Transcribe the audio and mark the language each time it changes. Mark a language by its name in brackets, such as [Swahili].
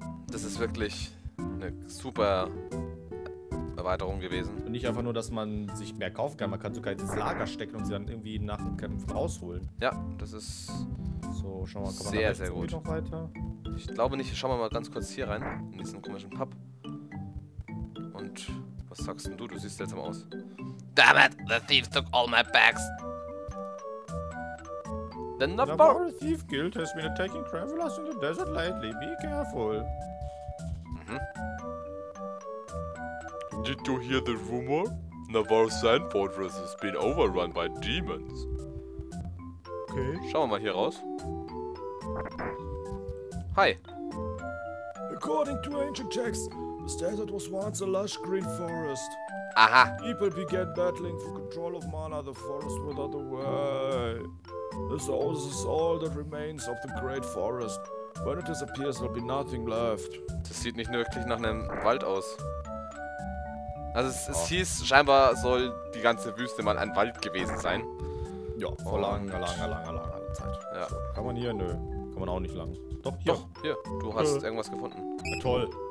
[German] Das ist wirklich eine super Erweiterung gewesen. Und nicht einfach nur, dass man sich mehr kaufen kann. Man kann sogar ins Lager stecken und sie dann irgendwie nach dem Kämpfen rausholen. Ja, das ist. So, schauen wir mal. Kommt sehr, sehr gut. Noch weiter? Ich glaube nicht. Schauen wir mal ganz kurz hier rein. In diesen komischen Pub. Und was sagst denn du? Du siehst seltsam aus. [English] Damn it! The thieves took all my bags! The Thief Guild has been attacking travelers in the desert lately. Be careful. Mhm. Did you hear the rumor? Navarre's Sand Fortress has been overrun by demons. Okay. [German] Schauen wir mal hier raus. [English] Hi. According to ancient texts, this desert was once a lush green forest. Aha. People began battling for control of mana. The forest went out of the way. This house is all that remains of the great forest. When it disappears, there'll be nothing left. [German] Das sieht nicht wirklich nach einem Wald aus. Also es hieß, scheinbar soll die ganze Wüste mal ein Wald gewesen sein. Ja, vor langer, langer, langer, langer, Zeit. Ja. Kann man hier? Nö. Kann man auch nicht lang. Doch, hier. Doch, hier. Du hast irgendwas gefunden. Ja, toll.